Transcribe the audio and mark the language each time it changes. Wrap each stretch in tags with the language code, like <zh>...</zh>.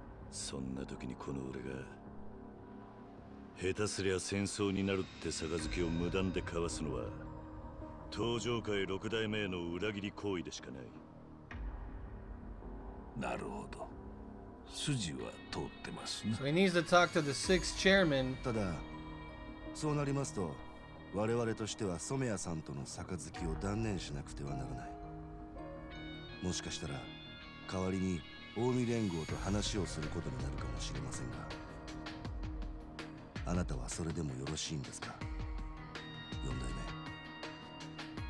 <ja>そんな時にこの俺が下手すりゃ戦争になるって杯を無断で交わすのは、東条会六代目への裏切り行為でしかない。なるほど、筋は通ってますね。</ja> <en>So he needs to talk to the sixth chairman.</en> <ja>ただそうなりますと、我々としては染谷さんとの杯を断念しなくてはならない。もしかしたら代わりに近江連合と話をすることになるかもしれませんが、あなたはそれでもよろしいんですか、四代目。</ja>